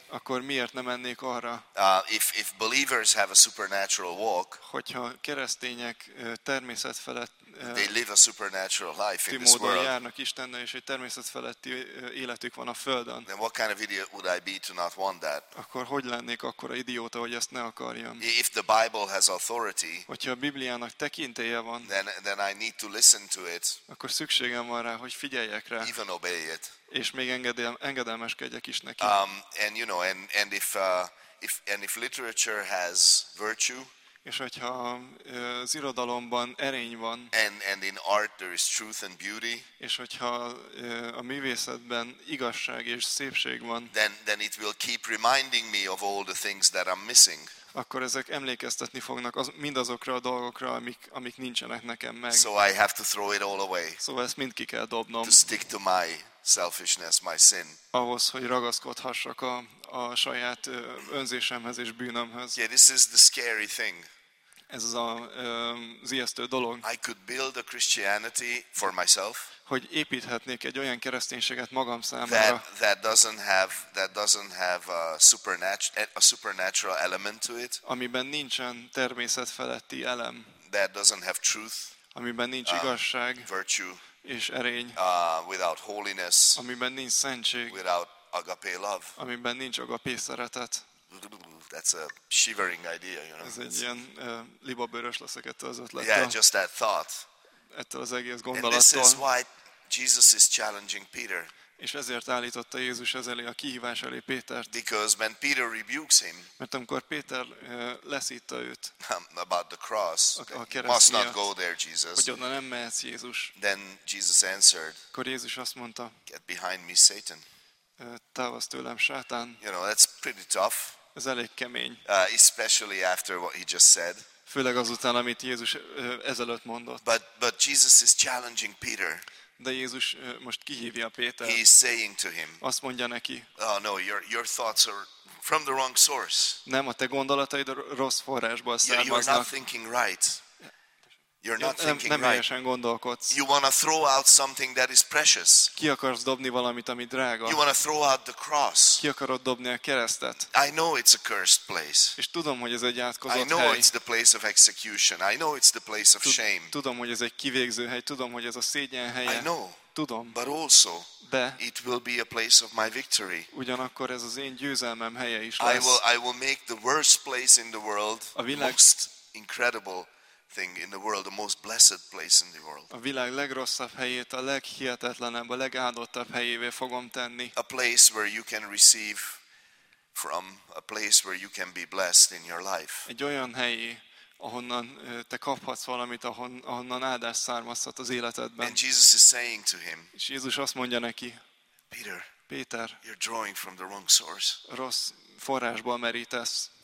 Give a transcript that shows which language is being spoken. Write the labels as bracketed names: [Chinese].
[Hungarian] Akkor miért nem mennék arra? [English] If believers have a supernatural walk, [Hungarian] hogyha keresztények természet felett, [English] they live a supernatural life in this world. [Hungarian] Járnak Istennel, és egy természet feletti életük van a földön. [English] Then what kind of idiot would I be to not want that? [Hungarian] Akkor hogy lennék akkor a idióta, hogy ezt ne akarjam? [English] If the Bible has authority, [Hungarian] hogyha a Bibliának tekintélye van, [English] then I need to listen to it. [Hungarian] Akkor szükségem van rá, hogy figyeljek rá. [English] Even obey it. [Hungarian] És még engedelmeskedjek is neki. [English] And if literature has virtue, [Hungarian] és hogyha az irodalomban erény van, [English] and in art there is truth and beauty, [Hungarian] és hogyha a művészetben igazság és szépség van, [English] then it will keep reminding me of all the things that I'm missing. [Hungarian] Akkor ezek emlékeztetni fognak mindazokra a dolgokra, amik nincsenek nekem meg. [English] So I have to throw it all away. [Hungarian] Szóval ezt mind ki kell dobnom. [English] To stick to my selfishness, my sin. [Hungarian] Ahhoz, hogy ragaszkodhassak a saját önzésemhez és bűnömhöz. [English] Yeah, this is the scary thing. [Hungarian] Ez az az ijesztő dolog. [English] I could build a Christianity for myself. [Hungarian] Hogy építhetnék egy olyan kereszténységet magam számára. [English] That doesn't have a supernatural element to it. [Hungarian] Amiben nincsen természet feletti elem. [English] That doesn't have truth. [Hungarian] Amiben nincs igazság. [English] Virtue. [Hungarian] És erény. [English] Without holiness. [Hungarian] Amiben nincs szentség. [English] Without agape love. [Hungarian] Amiben nincs agape szeretet. [English] That's a shivering idea, you know. [Hungarian] Ez egy ilyen libabőrös leszek ettől az ötlettől. [English] Yeah, just that thought. [Hungarian] Ettől az egész gondolattól. [English] And this is why Jesus is challenging Peter. [Hungarian] És ezért állította Jézus ez elé a kihívás elé Pétert. [English] Because when Peter rebukes him. [Hungarian] Mert amikor Péter leszítta őt. [English] About the cross. [Hungarian] A kereszt miatt. [English] Must not go there, Jesus. [Hungarian] Hogy onnan nem mehetsz, Jézus. [English] Then Jesus answered. [Hungarian] Akkor Jézus azt mondta. [English] Get behind me, Satan. [Hungarian] Távozz tőlem, Sátán. [English] You know, that's pretty tough. [Hungarian] Ez elég kemény. [English] Especially after what he just said. [Hungarian] Főleg azután, amit Jézus ezelőtt mondott. [English] But Jesus is challenging Peter. [Hungarian] De Jézus most kihívja Pétert. [English] He is saying to him. [Hungarian] Azt mondja neki. [English] Oh no, your thoughts are from the wrong source. [Hungarian] Nem, a te gondolataid rossz forrásból származnak. [English] You're not thinking right. You're not thinking right. [Hungarian] Nem gondolkodsz. [English] You want to throw out something that is precious. [Hungarian] Ki akarsz dobni valamit, ami drága? [English] You want to throw out the cross. [Hungarian] Ki akarod dobni a keresztet? [English] I know it's a cursed place. [Hungarian] És tudom, hogy ez egy átkozott hely. [English] I know it's the place of execution. I know it's the place of shame. [Hungarian] Tudom, hogy ez egy kivégző hely. Tudom, hogy ez a szégyen helye. [English] I know. [Hungarian] Tudom. [English] But also, it will be a place of my victory. [Hungarian] Ugyanakkor ez az én győzelmem helye is lesz. [English] I will make the worst place in the world [Hungarian] a világ, [English] most incredible thing in the world, the most blessed place in the world. [Hungarian] A világ legrosszabb helyét a leghihetetlenebb, a legáldottabb helyévé fogom tenni. [English] A place where you can receive from, a place where you can be blessed in your life. [Hungarian] Egy olyan helyi, ahonnan te kaphatsz valamit, ahonnan áldás származhat az életedben. [English] And Jesus is saying to him, [Hungarian] és Jézus azt mondja neki, [English] Peter, [Hungarian] Péter, [English] you're drawing from the wrong source. [Hungarian] Rossz forrásból merítesz.